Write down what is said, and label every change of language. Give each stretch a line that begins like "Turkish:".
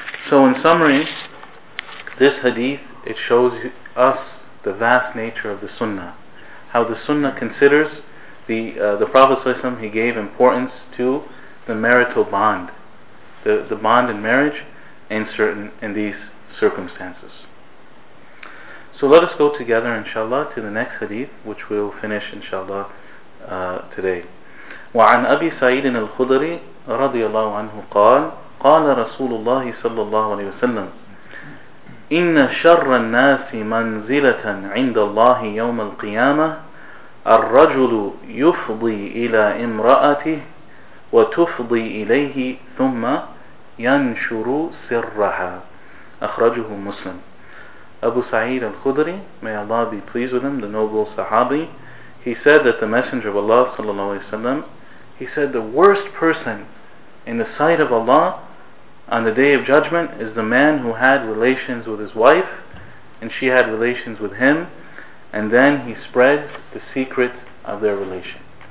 English: So in summary, this hadith, it shows us the vast nature of the sunnah, how the sunnah considers the Prophet ﷺ, he gave importance to the marital bond, the bond in marriage in these circumstances. So let us go together inshallah to the next hadith, which we'll finish inshallah today.
Arabic: وعن أبي سعيد الخدري رضي الله عنه قال قال رسول الله صلى الله عليه وسلم إن شر الناس منزلة عند الله يوم القيامة الرجل يفضي إلى امرأته وتفضي إليه ثم ينشر سرها أخرجه مسلم.
English: Abu Sa'id al-Khudri, may Allah be pleased with him, the noble Sahabi, he said that the Messenger of Allah sallallahu alaihi wasallam, he said the worst person in the sight of Allah on the Day of Judgment is the man who had relations with his wife, and she had relations with him, and then he spreads the secret of their relation.